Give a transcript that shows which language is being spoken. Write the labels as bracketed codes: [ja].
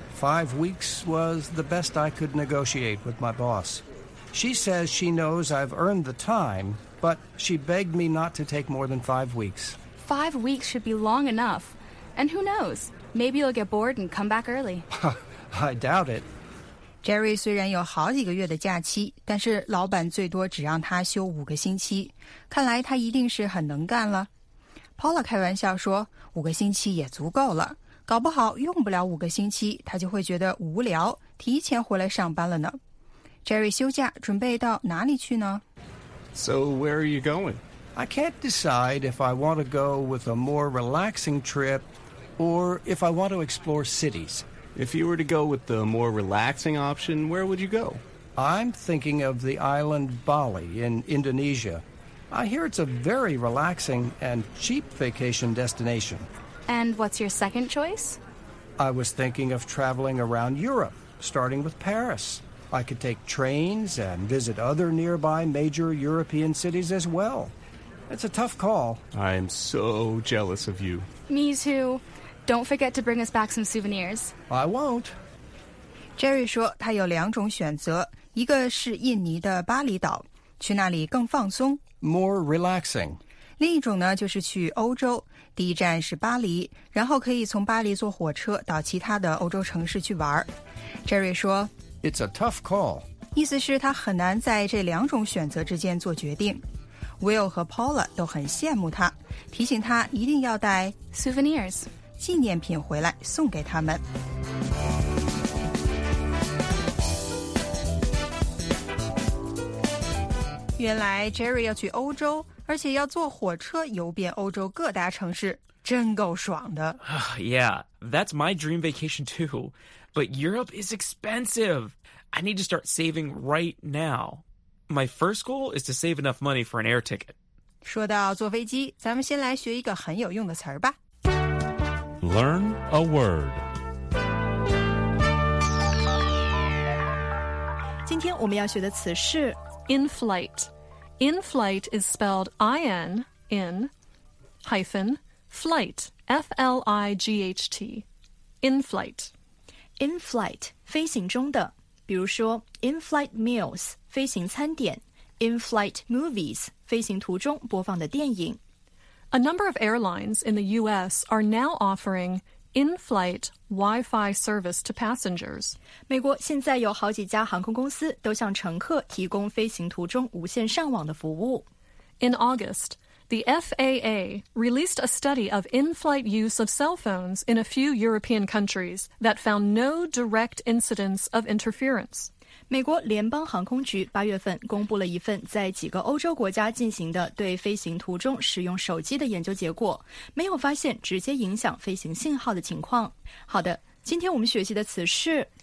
[en] 5 weeks was the best I could negotiate with my boss. She says she knows I've earned the time, but she begged me not to take more than 5 weeks. 5 weeks should be long enough. And who knows? Maybe you'll get bored and come back early. I doubt it. [zh] Jerry 虽然有好几个月的假期，但是老板最多只让他休5个星期，看来他一定是很能干了。 Paula 开玩笑说，5个星期也足够了，搞不好用不了5个星期，他就会觉得无聊，提前回来上班了呢。 Jerry 休假准备到哪里去呢 [en] ？So where are you going? I can't decide if I want to go with a more relaxing trip, or if I want to explore cities. If you were to go with the more relaxing option, where would you go? I'm thinking of the island Bali in Indonesia. I hear it's a very relaxing and cheap vacation destination. And what's your second choice? I was thinking of traveling around Europe, starting with Paris. I could take trains and visit other nearby major European cities as well. It's a tough call. I'm so jealous of you. Me too. Don't forget to bring us back some souvenirs. I won't. [zh] Jerry 说他有两种选择，一个是印尼的巴厘岛，去那里更放松。 [en] More relaxing. [zh] 另一种呢，就是去欧洲，第一站是巴黎，然后可以从巴黎坐火车到其他的欧洲城市去玩。 Jerry 说 [en] It's a tough call. [zh] 意思是他很难在这两种选择之间做决定。 Will 和 Paula 都很羡慕他，提醒他一定要带 [en] souvenirs [zh] 纪念品回来送给他们。原来 Jerry 要去欧洲，而且要坐火车游遍欧洲各大城市，真够爽的。 [en] Yeah, that's my dream vacation too. But Europe is expensive. I need to start saving right now. My first goal is to save enough money for an air ticket. [zh] 说到坐飞机，咱们先来学一个很有用的词儿吧。 [en] Learn a word. [zh] 今天我们要学的词是 [en] in-flight. In-flight is spelled in-flight, F-L-I-G-H-T, in-flight. [zh] In-flight, 飞行中的。比如说 [en] in-flight meals, [zh] 飞行餐点 [en] in-flight movies, [zh] 飞行途中播放的电影。 [en] A number of airlines in the U.S. are now offering in-flight Wi-Fi service to passengers. [zh] 美国现在有好几家航空公司都向乘客提供飞行途中无线上网的服务。 [en] In August, the FAA released a study of in-flight use of cell phones in a few European countries that found no direct incidents of interference. [zh] 美国联邦航空局八月份公布了一份在几个欧洲国家进行的对飞行途中使用手机的研究结果，没有发现直接影响飞行信号的情况。好的，今天我们学习的词是